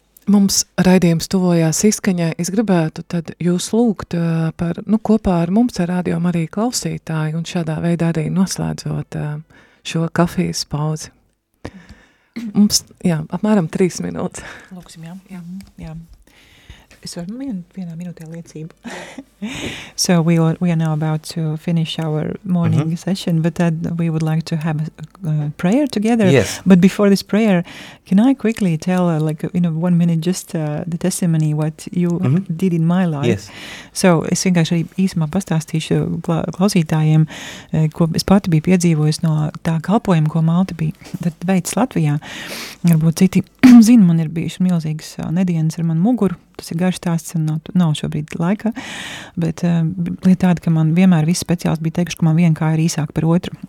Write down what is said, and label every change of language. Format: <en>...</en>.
<lv>mums raidījums tuvojās izskaņai, es gribētu tad jūs lūgt par, nu, kopā ar mums, ar radio Marija klausītāju, un šādā veidā arī noslēdzot šo kafijas pauzi. Mums, jā, apmēram 3 minūtes. Lūksim, jā. Es varu vienā minūtē liecību.</lv> <en>So we are now about to finish our morning mm-hmm. session, but then we would like to have a prayer together. Yes. But before this prayer, can I quickly tell, like, you know, 1 minute, just the testimony, what you mm-hmm. did in my life? Yes.</en> <lv>So es vienkārši arī īsumā pastāstīšu klausītājiem, ko es pati biju piedzīvojusi no tā kalpojuma, ko Malta bija tad veicis Latvijā. Varbūt citi zina, man ir bijuši milzīgas nedienas ar manu muguru. Tas ir garš stāsts, nav šobrīd laika, bet lieta tāda, ka man vienmēr viss speciāls bija teikuši, ka man viena kā ir īsāk par otru.</lv>